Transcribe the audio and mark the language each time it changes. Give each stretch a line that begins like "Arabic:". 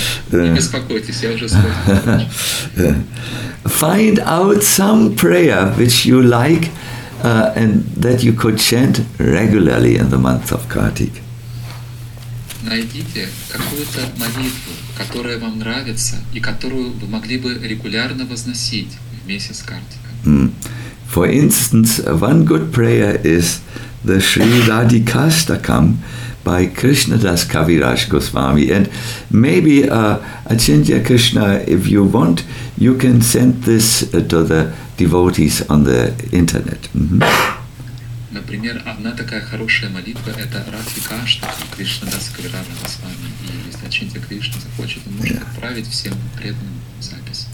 Russian: Не беспокойтесь, я уже скоро.
English: Find out some prayer which you like and that you could chant regularly in the month of Kartik.
Russian: Найдите какую-то молитву, которая вам нравится и которую вы могли бы регулярно возносить в месяц Картика.
English: For instance, one good prayer is the Sri Radhikashtakam by Krishnadas Kaviraj Goswami, and maybe Achintya Krishna, if you want, you can send this to the devotees on the internet.
Russian: Например, одна такая хорошая молитва – это Радхикаштакам, Кришнадас Кавираж Госвами. И если Ачинтья Кришна захочет, он может отправить всем преданным запись.